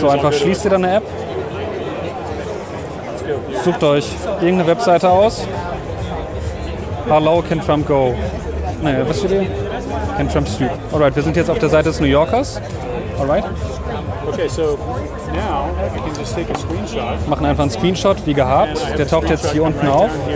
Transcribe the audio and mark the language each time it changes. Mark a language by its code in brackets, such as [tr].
[de] So einfach schließt ihr deine App. Sucht euch irgendeine Webseite aus. [en] How low can Trump go? [de] Naja, was steht hier? [en] Can Trump stoop? [de] Alright, wir sind jetzt auf der Seite des New Yorkers. Alright. [en] Okay, so now I can just take a screenshot. [de] Machen einfach einen Screenshot, wie gehabt. Der taucht jetzt hier unten auf.